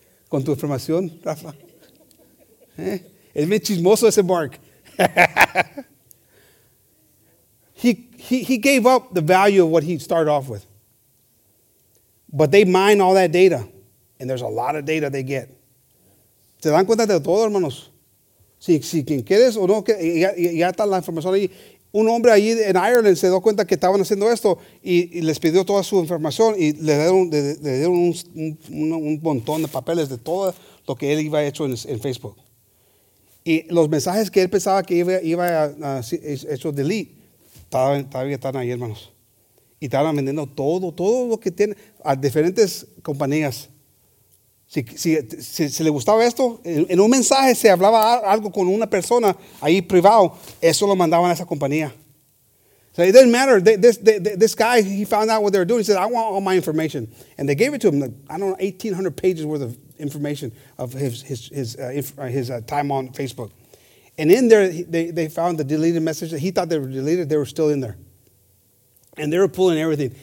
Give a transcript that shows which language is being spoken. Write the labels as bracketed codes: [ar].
[es] Con tu información, Rafa. Es muy chismoso ese Mark. [en] He gave up the value of what he started off with. But they mine all that data. And there's a lot of data they get. [es] ¿Se dan cuenta de todo, hermanos? Si quien quieres o no, ya está la información ahí. Un hombre allí en Ireland se dio cuenta que estaban haciendo esto y les pidió toda su información y le dieron un montón de papeles de todo lo que él iba hecho en Facebook. Y los mensajes que él pensaba que iba a hecho delete, todavía están ahí, hermanos. Y estaban vendiendo todo lo que tienen a diferentes compañías. Si le gustaba esto, en un mensaje se hablaba algo con una persona ahí privado, eso lo mandaban a esa compañía. [en] So it didn't matter. This guy, he found out what they were doing. He said, I want all my information. And they gave it to him, like, I don't know, 1,800 pages worth of information of his time on Facebook. And in there, they found the deleted message. He thought they were deleted. They were still in there. And they were pulling everything.